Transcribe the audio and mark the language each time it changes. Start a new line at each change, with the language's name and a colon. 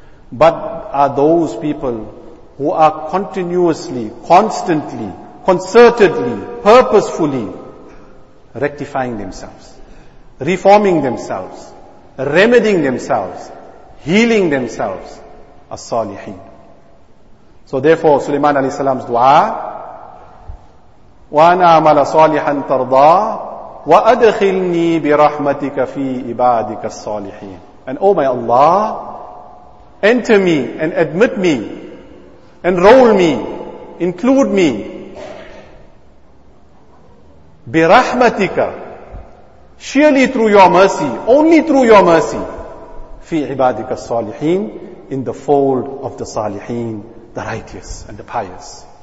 English: But are those people who are continuously, constantly, concertedly, purposefully rectifying themselves, reforming themselves, remedying themselves, healing themselves, as-salihin. So therefore, Sulaiman alayhi salam's dua,
Arabic: وَأَنَا عَمَلَ صَالِحًا تَرْضَى وَأَدْخِلْنِي بِرَحْمَتِكَ فِي عِبَادِكَ الصَّالِحِينَ.
English: And oh my Allah, enter me and admit me, enroll me, include me,
Arabic: بِرَحْمَتِكَ,
English: surely through your mercy, only through your mercy,
Arabic: فِي عِبَادِكَ الصَّالِحِينَ,
English: in the fold of the salihin, the righteous and the pious.